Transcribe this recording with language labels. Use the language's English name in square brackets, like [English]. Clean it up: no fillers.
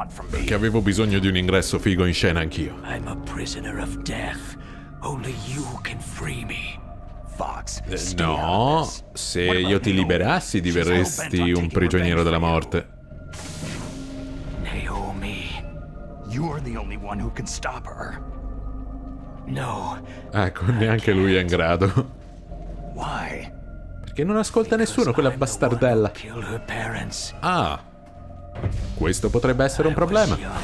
[Italian] Perché avevo bisogno di un ingresso figo in scena anch'io. [English] I'm a prisoner of death. Only you can free me. Fox, [Italian] no, se io ti liberassi diverresti un prigioniero della morte. [English] Naomi, you're the only one who can stop her. No. [Italian] Ecco, neanche lui è in grado. [English] Why? [Italian] Perché non ascolta nessuno, quella bastardella. Ah, questo potrebbe essere un problema.